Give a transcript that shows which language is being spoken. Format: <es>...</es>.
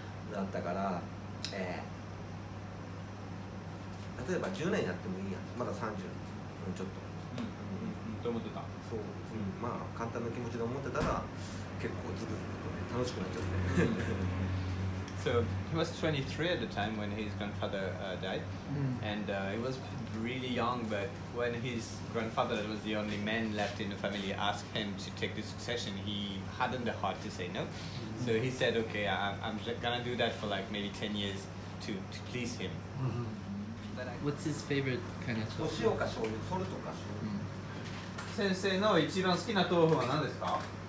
<ja>だったから、例えば10年やってもいいやん、まだ30ちょっと。と思ってた。そう、まあ簡単な気持ちで思ってたら、結構ずぶずぶと、ね、楽しくなっちゃって。</ja> <en>So he was 23 at the time when his grandfather died, and he was really young. But when his grandfather, that was the only man left in the family, asked him to take the succession, he hadn't the heart to say no. So he said, "Okay, I'm gonna do that for like maybe 10 years to please him." What's his favorite kind of tofu?</en> <ja>塩か醤油、ソルトか醤油。先生の一番好きな豆腐は何ですか？</ja>